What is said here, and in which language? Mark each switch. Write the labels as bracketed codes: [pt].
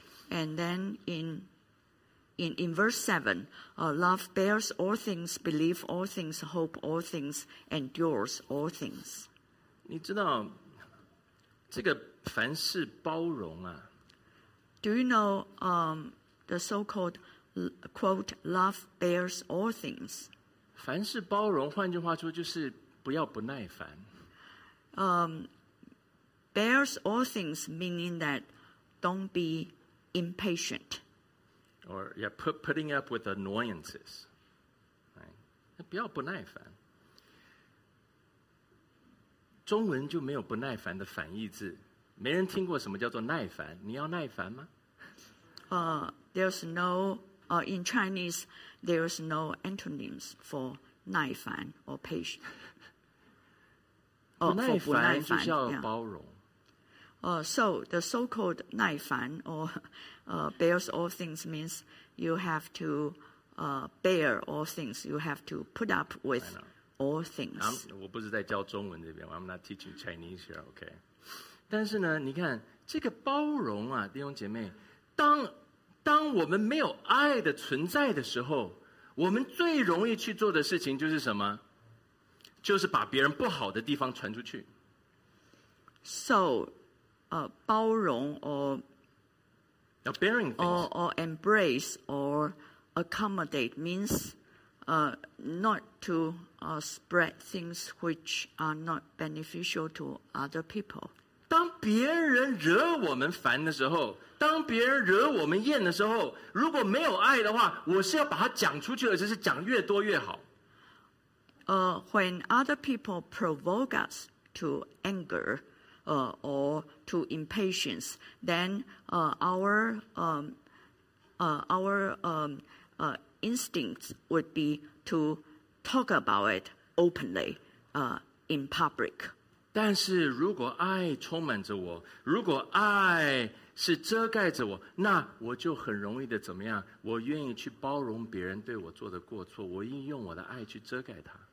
[en] And then in verse 7, love bears all things, believe all things, hope all things, endures all things. [zh] 你知道这个凡事包容啊？ [en] Do you know the so-called quote, love bears all things? [zh] 凡事包容，换句话说就是不要不耐烦。 [en] Bears all things, meaning that don't be impatient. Or yeah, putting up with annoyances. Right? [zh] 不要不耐烦。中文就没有不耐烦的反义字。没人听过什么叫做耐烦。你要耐烦吗？ [en] There's no, in Chinese, there's no antonyms for 耐烦 or patient. [zh] 不耐烦就是要包容。 [en] So the so-called 耐烦 or bears all things means you have to bear all things. You have to put up with all things. [zh] 我不是在教中文这边 [en] I'm not teaching Chinese here, okay? [zh] 但是呢，你看这个包容啊，弟兄姐妹，当我们没有爱的存在的时候，我们最容易去做的事情就是什么？就是把别人不好的地方传出去。 [en] So, 包容 or bearing things. Or embrace or accommodate means not to spread things which are not beneficial to other people. [zh] 当别人惹我们烦的时候。当别人惹我们厌的时候，如果没有爱的话，我是要把它讲出去，而且是讲越多越好。 [en] When other people provoke us to anger, or to impatience, then our instincts would be to talk about it openly, in public. [zh] 但是如果爱充满着我，如果爱是遮盖着我，那我就很容易的怎么样？我愿意去包容别人对我做的过错，我愿意用我的爱去遮盖它。